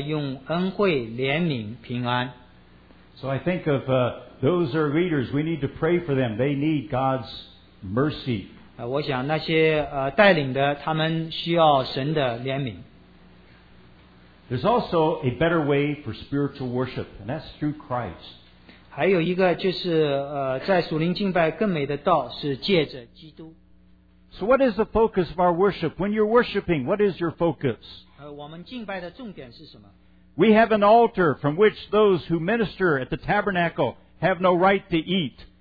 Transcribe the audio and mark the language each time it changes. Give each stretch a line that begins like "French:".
Chinese: 我们也知道在提摩太前书后书里面，那牧师们问安，他用恩惠、怜悯、平安。
English: So I think of those are leaders. We need to pray for them. They need God's mercy.
Chinese: 我想那些带领的，他们需要神的怜悯。
English: There's also a better way for spiritual worship, and that's through Christ.
Chinese: 还有一个就是在属灵敬拜更美的道是借着基督。
English: So what is the focus of our worship? When you're worshiping, what is your focus?
Chinese: 我们敬拜的重点是什么?
English: We have an altar from which those who minister at the tabernacle have no right to eat.